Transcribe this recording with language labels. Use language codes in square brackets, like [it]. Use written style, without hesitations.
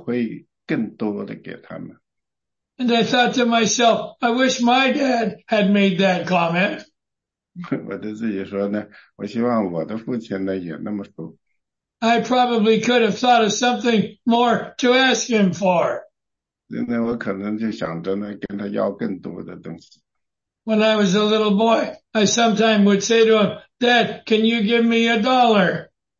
[zh] 然后他说呢，如果他们想跟我要更多的，我会更多的给他们。 [en] And I thought to myself, I wish my dad had made that comment. [zh] 我对自己说呢，我希望我的父亲呢也那么说。 [en] I probably could have thought of something more to ask him for. [zh] 现在我可能就想着呢，跟他要更多的东西。 [en] When I was a little boy, I sometimes would say to him, Dad, can you give me a dollar?